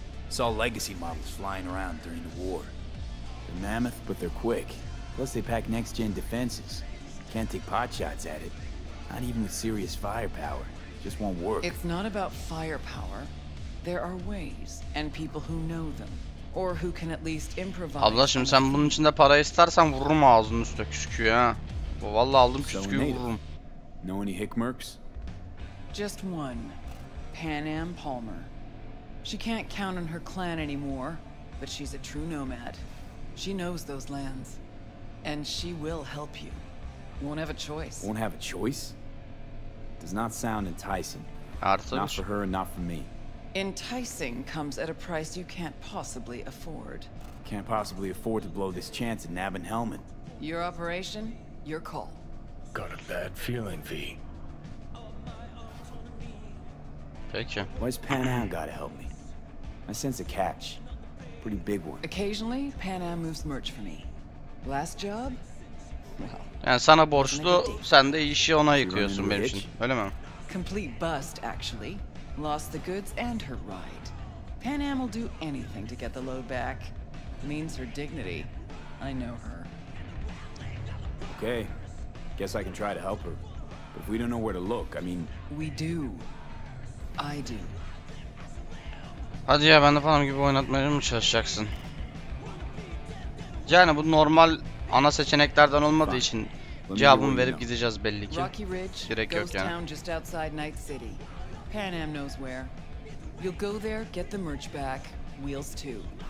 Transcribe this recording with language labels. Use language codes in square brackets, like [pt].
[en] Saw legacy models flying around during the war. They're mammoth, but they're quick. Plus they pack next-gen defenses. Can't take potshots at it. Not even with serious firepower. Just won't work. It's not about firepower. There are ways, and people who know them. Or who can at least improvise. [tr] Abla şimdi sen bunun içinde para istersen vururum ağzının üstüne küsküyü ha. Vallahi aldım küsküyü vururum. [en] Know any Hickmerks? Just one. Pan Am Palmer. She can't count on her clan anymore, but she's a true nomad. She knows those lands. And she will help you. Won't have a choice. Won't have a choice? Does not sound enticing. [tr] Artık. [en] Not for her and not for me. Enticing comes at a price you can't possibly afford. Can't possibly afford to blow this chance at nabbing Hellman. Your operation, your call. Got a bad feeling, V. [tr] Peki. [en] Why's Pan Am gotta help me? I sense a catch. Pretty big one. Occasionally, Pan Am moves merch for me. Last job? Well, [tr] yani sana borçlu, sen de işi ona yıkıyorsun benim için. Öyle mi? [en] Complete bust, actually. Lost the goods and her ride. Pan Am will do anything to get the load back. Means her dignity. I know her. Okay. Guess I can try to help her. But if we don't know where to look, I mean... We do. I do. [tr] Hadi ya, ben de falan gibi oynatmaya mı çalışacaksın? Yani bu normal ana seçeneklerden olmadığı için cevabımı verip gideceğiz belli ki. [en] Rocky Ridge, [tr] gerek yok yani. [en] Town just outside Night City. Pan Am knows where. You'll go there, get the merch back, wheels too.